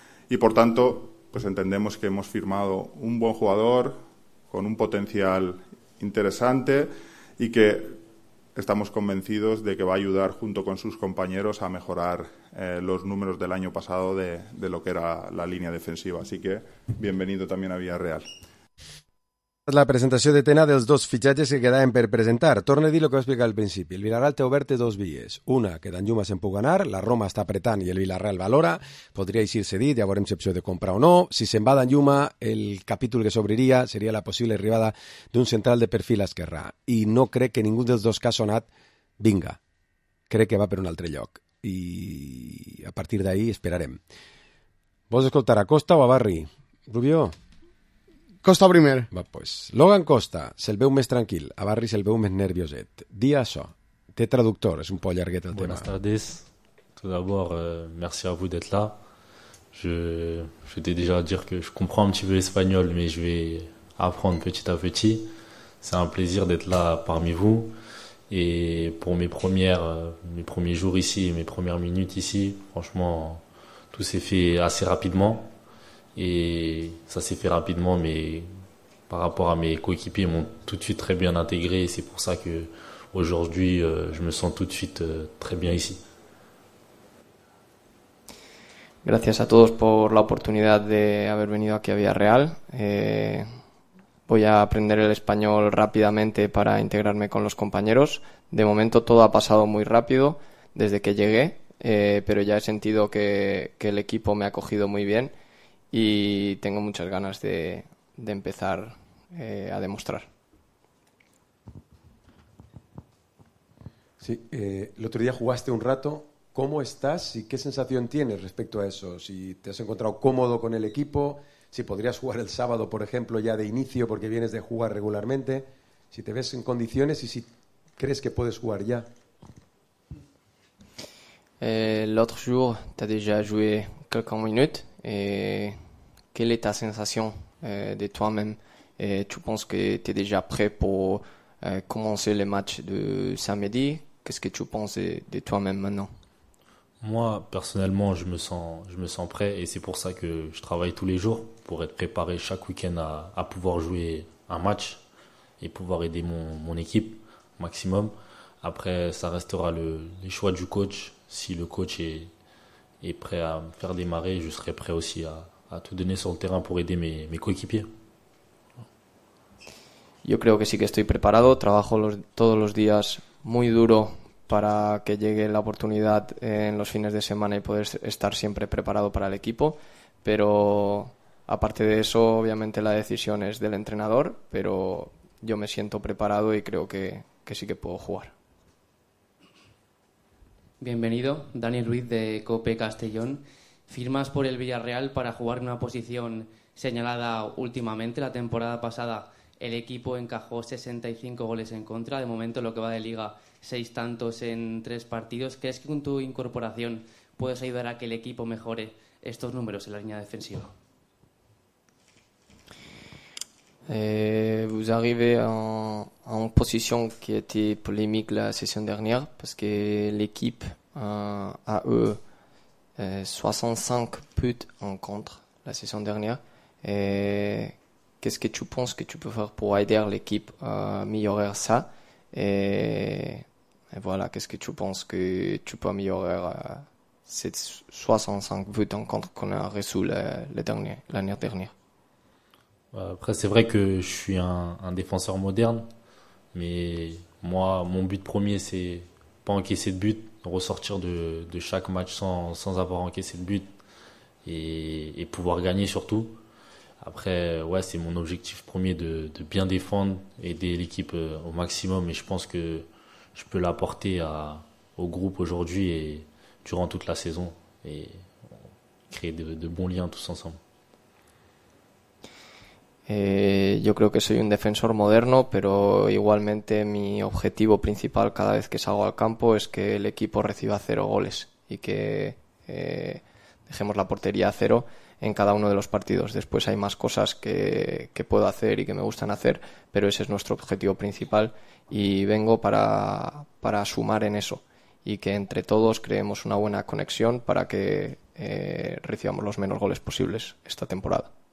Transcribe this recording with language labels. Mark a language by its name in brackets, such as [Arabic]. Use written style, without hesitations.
[Spanish] y por tanto pues entendemos que hemos firmado un buen jugador con un potencial interesante y que estamos convencidos de que va a ayudar junto con sus compañeros a mejorar los números del año pasado de lo que era la línea defensiva. Así que bienvenido también a Villarreal. [Catalan] La presentació de Tena dels dos fitxatges que quedaven per presentar. Torne a dir el que va explicar al principi. El Villarreal té obertes dos vies. Una, que Dan Juma se'n puga anar, la Roma està apretant i el Villarreal valora. Podria així ser dit, ja veurem si opció de compra o no. Si se'n va Dan Juma, el capítol que s'obriria seria la possible arribada d'un central de perfil esquerrà. I no crec que ningú dels dos que ha sonat vinga. Crec que va per un altre lloc. I a partir d'ahí esperarem. Vols escoltar a Costa o a Barri? Rubio? Costa primer. Va, pues. Logan Costa, se'l veu més tranquil. A Barri se'l veu més nervioset. Di això. Té traductor, és un poc llarguet el [Spanish] tema. Buenas tardes. [French] Tout d'abord, merci à vous d'être là. Je t'ai déjà dit que je comprends un petit peu espagnol, mais je vais apprendre petit à petit. C'est un plaisir d'être là parmi vous. Et pour mes premiers jours ici, mes premières minutes ici, franchement, tout s'est fait assez rapidement. Et ça s'est fait rapidement, mais par rapport à mes coéquipiers, ils m'ont tout de suite très bien intégré. Et c'est pour ça que aujourd'hui, je me sens tout de suite très bien ici. [Spanish] Gracias a todos por la oportunidad de haber venido aquí a Villarreal. Voy a aprender el español rápidamente para integrarme con los compañeros. De momento todo ha pasado muy rápido desde que llegué, pero ya he sentido que el equipo me ha acogido muy bien. Y tengo muchas ganas de empezar a demostrar. Sí, el otro día jugaste un rato. ¿Cómo estás y qué sensación tienes respecto a eso? Si te has encontrado cómodo con el equipo, si podrías jugar el sábado, por ejemplo, ya de inicio porque vienes de jugar regularmente, si te ves en condiciones y si crees que puedes jugar ya. [French] L'autre jour, tu as déjà joué quelques minutes. Quelle est ta sensation de toi-même? Tu penses que tu es déjà prêt pour commencer le match de samedi? Qu'est-ce que tu penses de toi-même maintenant? Moi, personnellement, je me sens prêt, et c'est pour ça que je travaille tous les jours, pour être préparé chaque week-end à pouvoir jouer un match. et pouvoir aider mon équipe au maximum. Après, ça restera les choix du coach. Si le coach est prêt à me faire démarrer, je serai prêt aussi à tout donner sur le terrain pour aider mes coéquipiers. [Spanish] Yo creo que sí que estoy preparado. Trabajo todos los días muy duro para que llegue la oportunidad en los fines de semana y poder estar siempre preparado para el equipo. Pero aparte de eso, obviamente la decisión es del entrenador, pero yo me siento preparado y creo que sí que puedo jugar. Bienvenido, Dani Ruiz de COPE Castellón. Firmas por el Villarreal para jugar en una posición señalada últimamente. La temporada pasada el equipo encajó 65 goles en contra. De momento lo que va de liga, 6 tantos en 3 partidos. ¿Crees que con tu incorporación puedes ayudar a que el equipo mejore estos números en la línea defensiva? [French] Vous arrivez en position qui était polémique la saison dernière parce que l'équipe a eu 65 buts en contre la saison dernière. Et qu'est-ce que tu penses que tu peux faire pour aider l'équipe à améliorer ça? Et voilà, qu'est-ce que tu penses que tu peux améliorer ces 65 buts en contre qu'on a résolus l'année dernière? Après, c'est vrai que je suis un défenseur moderne, mais moi, mon but premier, c'est pas encaisser de but, ressortir de chaque match sans avoir encaissé de but et pouvoir gagner surtout. Après, ouais, c'est mon objectif premier de bien défendre, aider l'équipe au maximum, et je pense que je peux l'apporter au groupe aujourd'hui et durant toute la saison et créer de bons liens tous ensemble. [Spanish] Yo creo que soy un defensor moderno, pero igualmente mi objetivo principal cada vez que salgo al campo es que el equipo reciba 0 goles y que dejemos la portería a 0 en cada uno de los partidos. Después hay más cosas que puedo hacer y que me gustan hacer, pero ese es nuestro objetivo principal y vengo para sumar en eso y que entre todos creemos una buena conexión para que recibamos los menos goles posibles esta temporada.